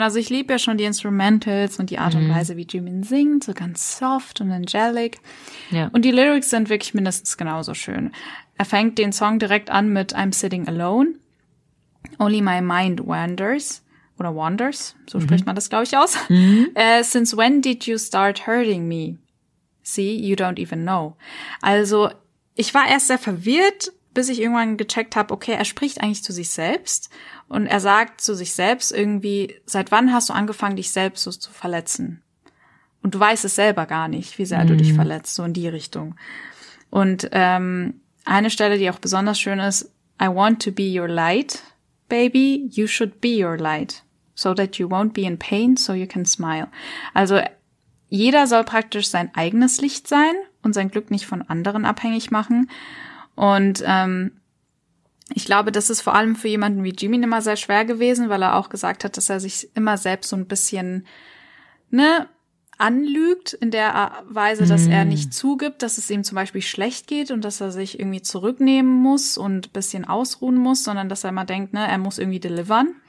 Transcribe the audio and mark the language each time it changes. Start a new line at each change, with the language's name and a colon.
German: Also ich liebe ja schon die Instrumentals und die Art und Weise, wie Jimin singt, so ganz soft und angelic. Ja. Und die Lyrics sind wirklich mindestens genauso schön. Er fängt den Song direkt an mit
English: I'm sitting alone, only my mind wanders.
German: Oder wanders, so spricht man das, glaube ich, aus.
English: Since when did you start hurting me? See, you don't even know.
German: Also, ich war erst sehr verwirrt, bis ich irgendwann gecheckt habe, okay, er spricht eigentlich zu sich selbst. Und er sagt zu sich selbst irgendwie, seit wann hast du angefangen, dich selbst so zu verletzen? Und du weißt es selber gar nicht, wie sehr du dich verletzt, so in die Richtung. Und eine Stelle, die auch besonders schön ist,
English: I want to be your light. Baby, you should be your light, so that you won't be in pain, so you can smile.
German: Also jeder soll praktisch sein eigenes Licht sein und sein Glück nicht von anderen abhängig machen. Und ich glaube, das ist vor allem für jemanden wie Jimin immer sehr schwer gewesen, weil er auch gesagt hat, dass er sich immer selbst so ein bisschen anlügt in der Weise, dass er nicht zugibt, dass es ihm zum Beispiel schlecht geht und dass er sich irgendwie zurücknehmen muss und ein bisschen ausruhen muss, sondern dass er immer denkt, ne, er muss irgendwie delivern.